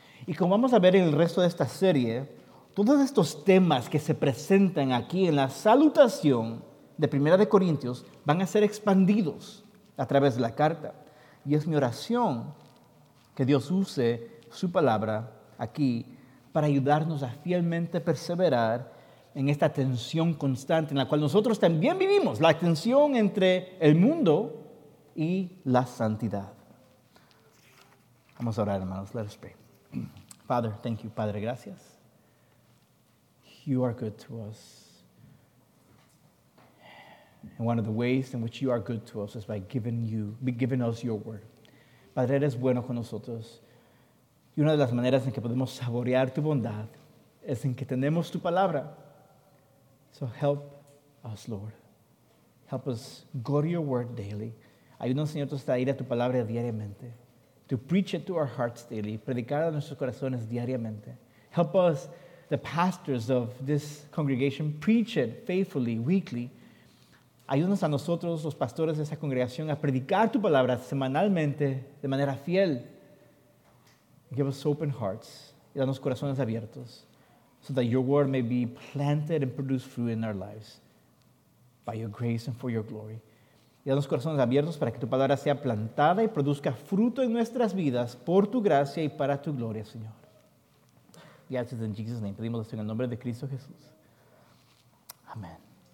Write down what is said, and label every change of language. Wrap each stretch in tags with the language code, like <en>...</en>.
<es>Y como vamos a ver en el resto de esta serie, todos estos temas que se presentan aquí en la salutación de Primera de Corintios van a ser expandidos a través de la carta. Y es mi oración que Dios use su palabra aquí para ayudarnos a fielmente perseverar en esta tensión constante en la cual nosotros también vivimos, la tensión entre el mundo y la santidad. Vamos a orar, hermanos.</es> <en>Let us pray. Father, thank you.</en> <es>Padre, gracias.</es> <en>You are good to us. And one of the ways in which you are good to us is by giving us your word.</en> <es>Padre, eres bueno con nosotros. Y una de las maneras en que podemos saborear tu bondad es en que tenemos tu palabra.</es> <en>So help us, Lord. Help us go to your word daily.</en> <es>Ayúdanos, Señor, a ir a tu palabra diariamente.</es> <en>To preach it to our hearts daily.</en> <es>Predicar a nuestros corazones diariamente.</es> <en>Help us, the pastors of this congregation, preach it faithfully, weekly.</en> <es>Ayúdanos a nosotros, los pastores de esa congregación, a predicar tu palabra semanalmente de manera fiel.</es> <en>Give us open hearts.</en> <es>Y danos corazones abiertos.</es> <en>So that your word may be planted and produce fruit in our lives. By your grace and for your glory.</en> <es>Y danos corazones abiertos para que tu palabra sea plantada y produzca fruto en nuestras vidas. Por tu gracia y para tu gloria, Señor. Y así es en Jesus' name. Pedimos esto en el nombre de Cristo Jesús. Amén.</es>